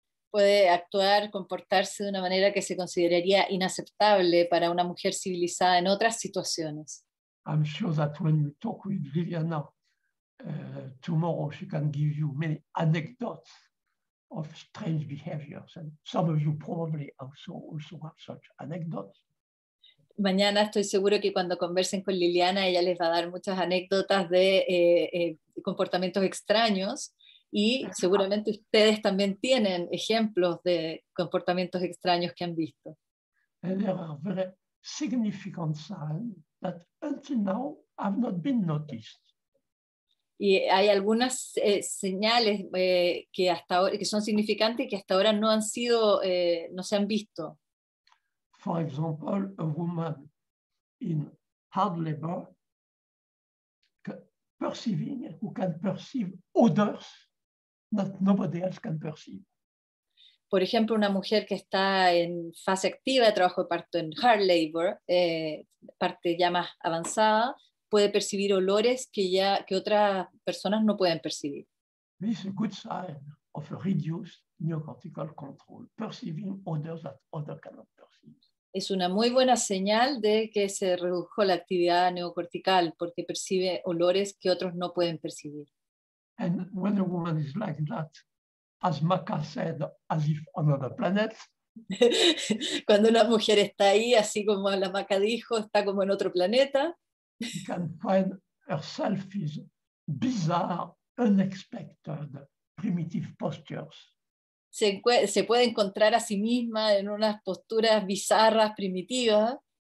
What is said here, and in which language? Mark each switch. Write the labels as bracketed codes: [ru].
[es] Puede actuar, comportarse de una manera que se consideraría inaceptable para una mujer civilizada en otras situaciones. [en] I'm sure that when you talk with Liliana tomorrow, she can give you many anecdotes of strange behaviors, and some of you probably also have such anecdotes. [es] Mañana estoy seguro que cuando conversen con Liliana, ella les va a dar muchas anécdotas de comportamientos extraños. Y seguramente ustedes también tienen ejemplos de comportamientos extraños que han visto. [en] And there are very significant signs that until now have not been noticed. [es] Y hay algunas señales que hasta ahora, que son significantes y que hasta ahora no han sido, no se han visto. [en] For example, a woman in hard labor perceiving, who can perceive odors that nobody else can perceive. [es] Por ejemplo, una mujer que está en fase activa de trabajo de parto, en [en] hard labor, [es] parte ya más avanzada, puede percibir olores que otras personas no pueden percibir. [en] This is a good sign of a reduced neocortical control, perceiving odors that others cannot perceive. [es] Es una muy buena señal de que se redujo la actividad neocortical porque percibe olores que otros no pueden percibir. [en] And when a woman is like that, as Maka said, as if on another planet. [es] Cuando una mujer está ahí, así como la Maka dijo, está como en otro planeta. [en] She can find herself is bizarre, unexpected, primitive postures. [es] Se puede encontrar a sí misma en unas posturas bizarras, primitivas.